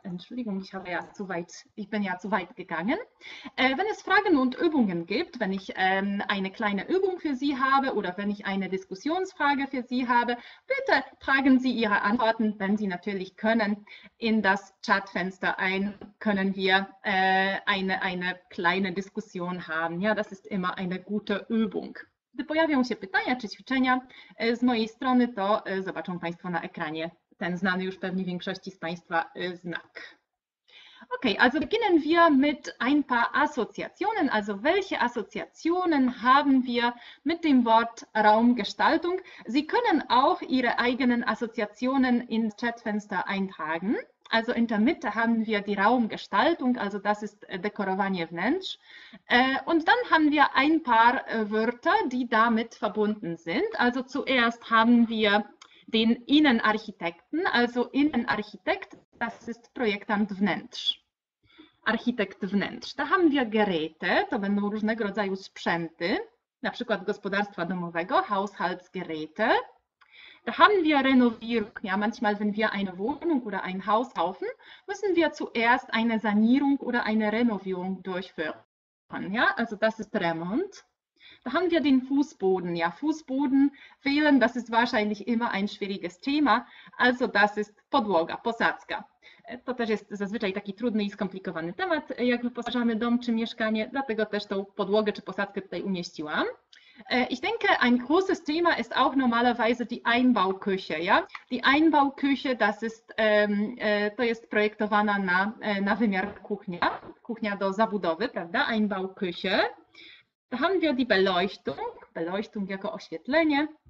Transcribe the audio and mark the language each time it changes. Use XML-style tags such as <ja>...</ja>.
<de>Entschuldigung, ich bin ja zu weit gegangen. Wenn es Fragen und Übungen gibt, wenn ich eine kleine Übung für Sie habe oder wenn ich eine Diskussionsfrage für Sie habe, bitte tragen Sie Ihre Antworten, wenn Sie natürlich können, in das Chatfenster ein, können wir eine kleine Diskussion haben. Ja, das ist immer eine gute Übung.</de> <pl>Gdy pojawią się pytania czy ćwiczenia z mojej strony, to zobaczą Państwo na ekranie ten znany już pewnie większości z Państwa znak.</pl> <de>Okay, also beginnen wir mit ein paar Assoziationen. Also welche Assoziationen haben wir mit dem Wort Raumgestaltung? Sie können auch Ihre eigenen Assoziationen ins Chatfenster eintragen. Also in der Mitte haben wir die Raumgestaltung, also das ist</de> <pl>Dekorowanie wnętrz.</pl> <de>Und dann haben wir ein paar Wörter, die damit verbunden sind. Also zuerst haben wir den Innenarchitekten, also Innenarchitekt, das ist</de> <pl>Projektant wnętrz. Architekt wnętrz.</pl> <de>Da haben wir Geräte,</de> <pl>to będą różnego rodzaju sprzęty, na przykład gospodarstwa domowego,</pl> <de>Haushaltsgeräte. Da haben wir Renovierung. Ja, manchmal, wenn wir eine Wohnung oder ein Haus kaufen, müssen wir zuerst eine Sanierung oder eine Renovierung durchführen. Ja, also das ist Remont. Da haben wir den Fußboden. Ja, Fußboden wählen, das ist wahrscheinlich immer ein schwieriges Thema. Also das ist</de> <pl>Podłoga, Posadzka. To też jest zazwyczaj taki trudny i skomplikowany temat, jak wyposażamy dom czy mieszkanie. Dlatego też tą podłogę czy posadzkę tutaj umieściłam.</pl> <de>Ich denke, ein großes Thema ist auch normalerweise die Einbauküche. Ja? Die Einbauküche,</de> <pl>to jest projektowana na wymiar kuchni, kuchnia do zabudowy, prawda?</pl> <de>Einbauküche. Da haben wir die Beleuchtung</de> <pl>jako oświetlenie.</pl>